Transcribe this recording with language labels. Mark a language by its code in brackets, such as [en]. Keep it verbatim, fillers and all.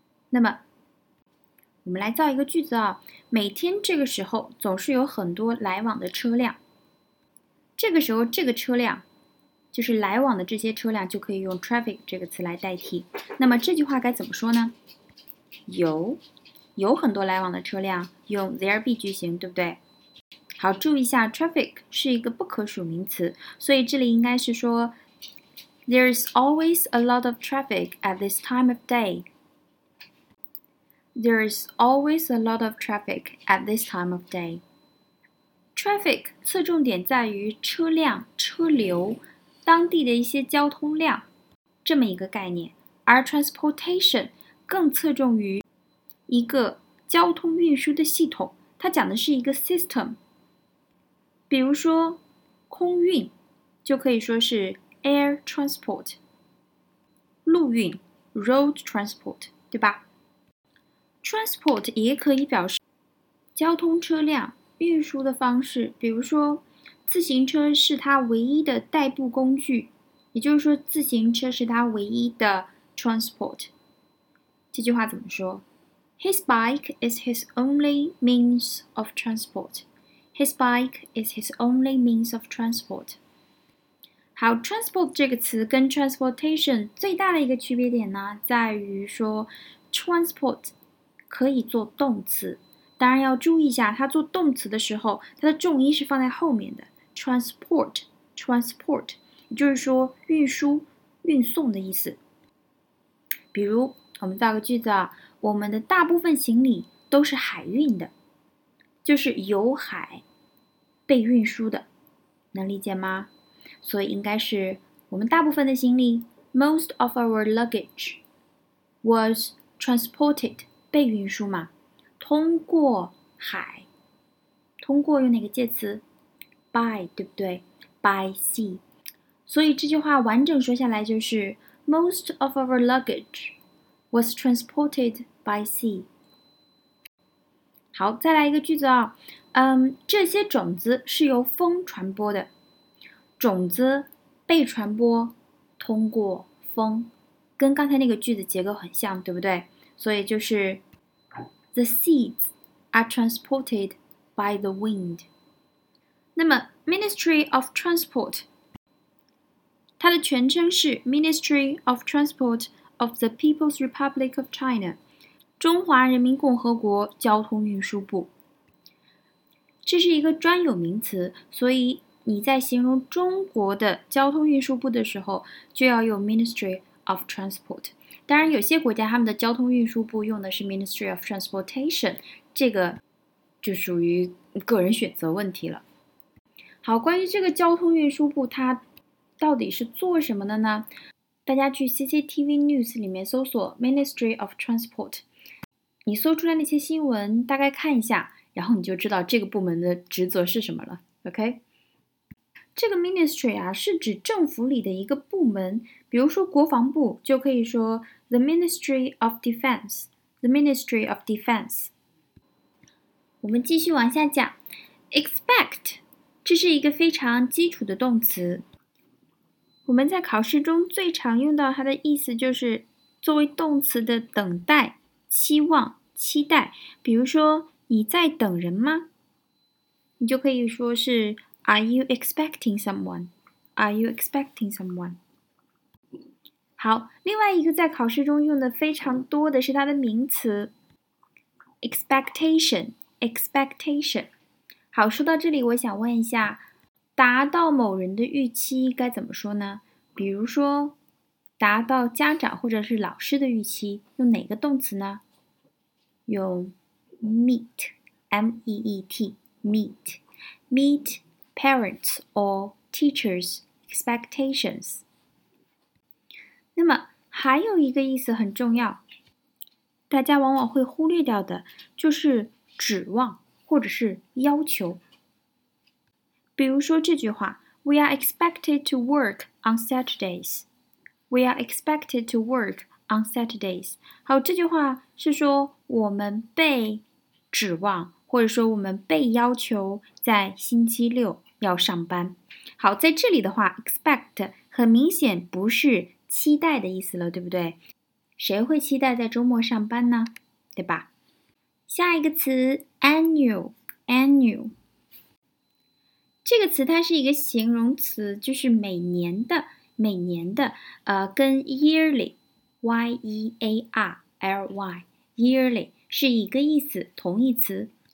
[zh] 那么，我们来造一个句子啊、哦。每天这个时候总是有很多来往的车辆。这个时候，这个车辆就是来往的这些车辆，就可以用 traffic 这个词来代替。那么这句话该怎么说呢？有，有很多来往的车辆，用 there be 句型，对不对？好，注意一下 traffic 是一个不可数名词，所以这里应该是说 [en] There's always a lot of traffic at this time of day. There's always a lot of traffic at this time of day. [zh] Traffic 侧重点在于车辆、车流、当地的一些交通量这么一个概念，而 transportation 更侧重于一个交通运输的系统，它讲的是一个 system。比如说，空运就可以说是 air transport， 陆运 road transport， 对吧 ？transport 也可以表示交通车辆运输的方式，比如说自行车是它唯一的代步工具，也就是说自行车是它唯一的 transport。这句话怎么说 ？ [en] His bike is his only means of transport。 His bike is his only means of transport. [zh] 好 transport 这个词跟 transportation 最大的一个区别点呢，在于说 transport 可以做动词，当然要注意一下，它做动词的时候，它的重音是放在后面的 transport transport， 也就是说运输、运送的意思。比如，我们造个句子啊，我们的大部分行李都是海运的。就是由海被运输的，能理解吗？所以应该是我们大部分的行李 ， [en] most of our luggage was transported [zh] 被运输嘛，通过海，通过用哪个介词 by 对不对 ？ [en] by sea。 [zh] 所以这句话完整说下来就是 [en] most of our luggage was transported by sea。 [zh] 好，再来一个句子啊、哦，嗯，这些种子是由风传播的，种子被传播通过风，跟刚才那个句子结构很像，对不对？所以就是 [en] The seeds are transported by the wind。 [zh] 那么 [en] Ministry of Transport， [zh] 它的全称是 [en] Ministry of Transport of the People's Republic of China。 [zh] 中华人民共和国交通运输部，这是一个专有名词，所以你在形容中国的交通运输部的时候，就要用 Ministry of Transport。当然，有些国家他们的交通运输部用的是 Ministry of Transportation， 这个就属于个人选择问题了。好，关于这个交通运输部，它到底是做什么的呢？大家去 C C T V News 里面搜索 Ministry of Transport。你搜出来那些新闻，大概看一下，然后你就知道这个部门的职责是什么了。 OK， 这个 ministry 啊，是指政府里的一个部门，比如说国防部就可以说 the Ministry of Defense， the Ministry of Defense。我们继续往下讲 ，expect， 这是一个非常基础的动词，我们在考试中最常用到它的意思就是作为动词的等待。期望、期待，比如说你在等人吗？你就可以说是 [en] Are you expecting someone? Are you expecting someone? [zh] 好，另外一个在考试中用的非常多的是它的名词 expectation。 [en] expectation。 [zh] 好，说到这里，我想问一下，达到某人的预期该怎么说呢？比如说。达到家长或者是老师的预期，用哪个动词呢？用 meet，M-E-E-T [en] meet, meet parents or teachers' expectations. [zh] 那么还有一个意思很重要，大家往往会忽略掉的，就是指望或者是要求。比如说这句话 [en] We are expected to work on Saturdays. We are expected to work on Saturdays. [zh] 好，这句话是说我们被指望，或者说我们被要求在星期六要上班。好，在这里的话 expect 很明显不是期待的意思了，对不对？谁会期待在周末上班呢？对吧？下一个词 annual annual 这个词它是一个形容词，就是每年的每年的呃，跟 yearly y e a r l y yearly 是一个意思，同义词。